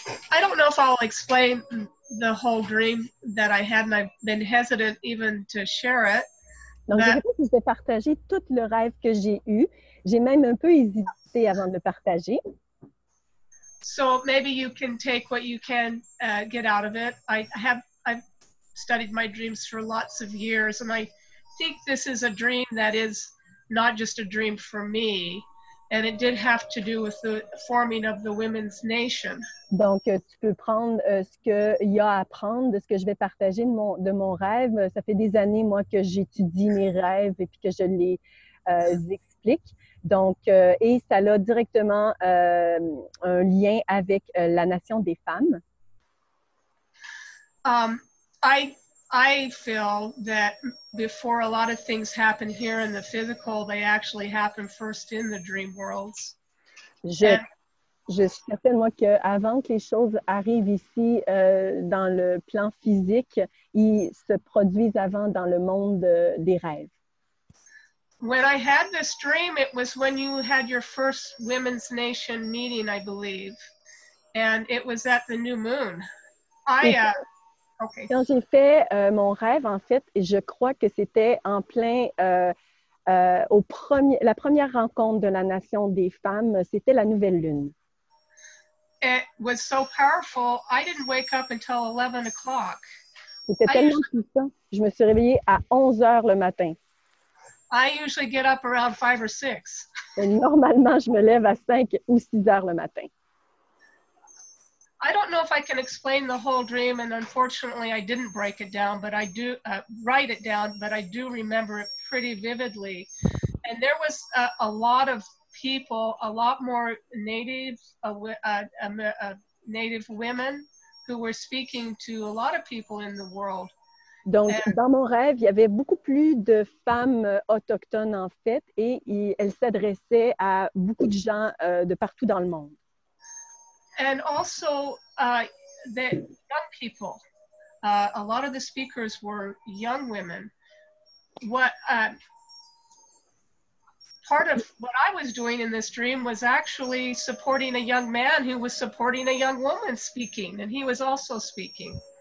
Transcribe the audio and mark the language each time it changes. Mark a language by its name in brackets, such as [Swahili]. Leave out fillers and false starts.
[English] I don't know if I'll explain the whole dream that I had, and I've been hesitant even to share it. [French] Donc, je ne sais pas si je vais partager tout le rêve que j'ai eu. J'ai même un peu hésité avant de le partager. [English] So, maybe you can take what you can get out of it. I've studied my dreams for lots of years, and I think this is a dream that is not just a dream for me, and it did have to do with the forming of the women's nation. [French] Donc, tu peux prendre ce qu'il y a à prendre de ce que je vais partager de mon rêve. Ça fait des années, moi, que j'étudie mes rêves et puis que je les explique. Donc, et ça a directement un lien avec la nation des femmes. [English] I feel that before a lot of things happen here in the physical, they actually happen first in the dream worlds. [French] Je suis certaine, moi, que avant que les choses arrivent ici dans le plan physique, ils se produisent avant dans le monde des rêves. [English] When I had this dream, it was when you had your first Women's Nation meeting, I believe, and it was at the new moon. Okay. [French] Quand j'ai fait mon rêve, en fait, je crois que c'était en plein la première rencontre de la Nation des femmes, c'était la nouvelle lune. [English] It was so powerful, I didn't wake up until 11 o'clock. [French] C'était tellement puissant, je me suis réveillée à 11 heures le matin. [English] I usually get up around 5 or 6. [French] Et normalement, je me lève à 5 ou 6 heures le matin. [English] I don't know if I can explain the whole dream, and unfortunately, I didn't break it down, but I do write it down, but I do remember it pretty vividly. And there was a lot of people, a lot more native women who were speaking to a lot of people in the world. [French] Donc, dans mon rêve, il y avait beaucoup plus de femmes autochtones, en fait, et elles s'adressaient à beaucoup de gens de partout dans le monde. [English] And also, the young people, a lot of the speakers were young women. Part of what I was doing in this dream was actually supporting a young man who was supporting a young woman speaking, and he was also speaking.